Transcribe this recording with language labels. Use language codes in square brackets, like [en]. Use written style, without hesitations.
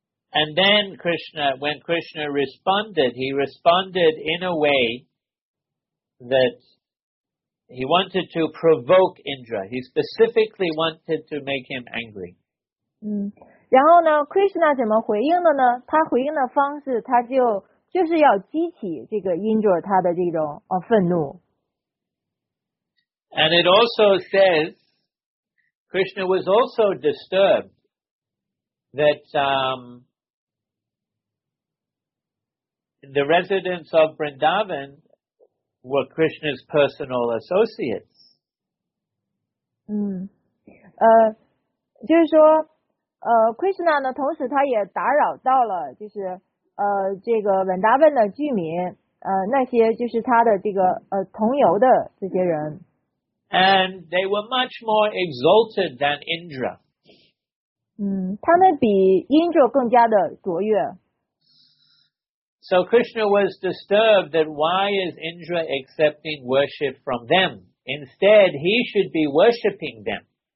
[en] And then Krishna, when Krishna responded, he responded in a way that he wanted to provoke Indra. He specifically wanted to make him angry. [zh] 然后呢 ，Krishna 怎么回应的呢？他回应的方式，他就是要激起这个 Indra 他的这种愤怒。 [en] And it also says Krishna was also disturbed that the residents of Vrindavan were Krishna's personal associates. [zh] 就是说。 Krishna 呢，同时他也打扰到了，就是这个文达问的居民，那些就是他的这个同游的这些人。 [en] And they were much more exalted than Indra. [zh] 他们比 Indra 更加的卓越。 [en] So Krishna was disturbed that why is Indra accepting worship from them? Instead, he should be worshipping them.